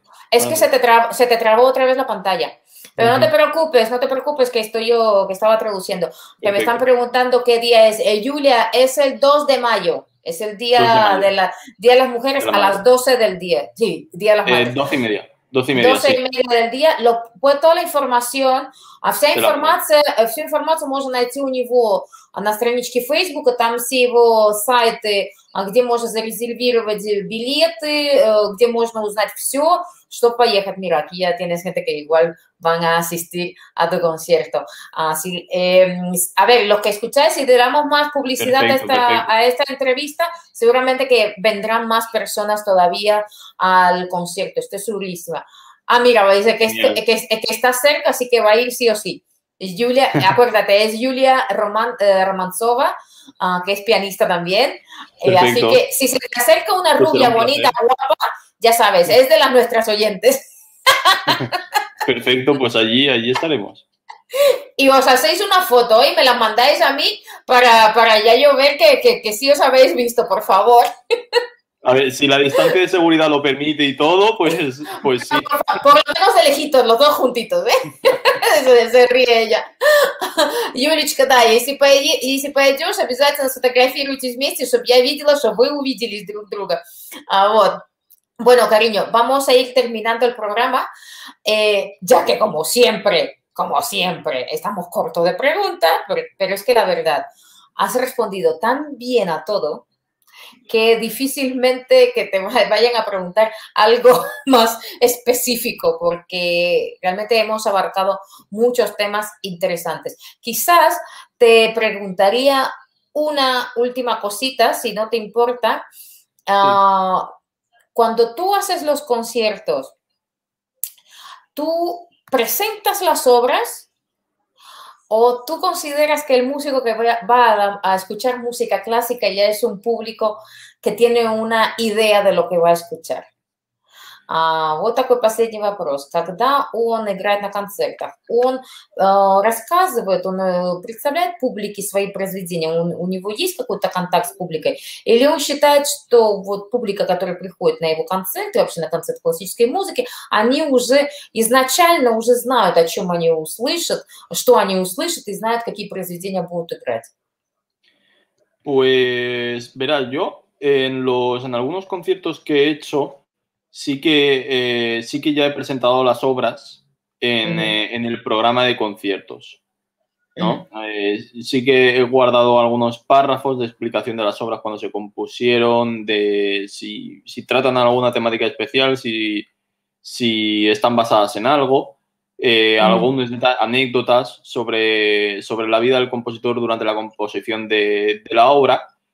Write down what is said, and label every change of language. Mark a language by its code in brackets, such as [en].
[es] Es que se te trabó otra vez la pantalla. Pero no te preocupes, que estoy yo, que estaba traduciendo. Que me están preguntando qué día es. Julia, es el 2 de mayo. Es el día de las mujeres de la a las 12 del día. Sí, día de las mujeres. 12 y media del día. Toda la información, [ru] всю информацию можно найти у него на страничке Facebook, там все его сайты, где можно зарезервировать билеты, где можно узнать все, чтобы поехать. [es] Mira, aquí ya tienes gente que igual van a asistir a tu concierto. A ver, los que escucháis, si le damos más publicidad a esta entrevista, seguramente que vendrán más personas todavía al concierto. Estoy segurísima. Ah, mira, dice que está cerca, así que va a ir sí o sí. Julia, acuérdate, es Julia Romanzova, que es pianista también. Así que si se te acerca una rubia bonita, guapa, ya sabes, es de las nuestras oyentes. Perfecto, pues allí estaremos. Y os hacéis una foto y me la mandáis a mí para ya yo ver que sí os habéis visto, por favor. A ver, si la distancia de seguridad lo permite y todo, pues sí. Por lo menos de lejitos, los dos juntitos, ¿eh? se ríe ella. [ru] Юлечка, да, если пойдешь, обязательно сфотографируйтесь вместе, чтобы я видела, чтобы вы увидели друг друга. Вот. [es] Bueno, cariño, vamos a ir terminando el programa, ya que como siempre, como siempre, estamos cortos de preguntas, pero es que la verdad, has respondido tan bien a todo que difícilmente que te vayan a preguntar algo más específico, porque realmente hemos abarcado muchos temas interesantes. Quizás te preguntaría una última cosita, si no te importa. Sí. Cuando tú haces los conciertos, ¿tú presentas las obras o tú consideras que el músico que va a escuchar música clásica ya es un público que tiene una idea de lo que va a escuchar? [ru] Вот такой последний вопрос. Когда он играет на концертах, он рассказывает, он представляет публике свои произведения, у него есть какой-то контакт с публикой, или он считает, что вот публика, которая приходит на его концерты, вообще на концерт классической музыки, они уже изначально уже знают, о чем они услышат, что они услышат и знают, какие произведения будут играть? [es] Pues, verás, yo en algunos conciertos que he hecho, Sí que ya he presentado las obras en, en el programa de conciertos, ¿no? Sí que he guardado algunos párrafos de explicación de las obras cuando se compusieron, de si tratan alguna temática especial, si están basadas en algo, algunas anécdotas sobre la vida del compositor durante la composición de la obra.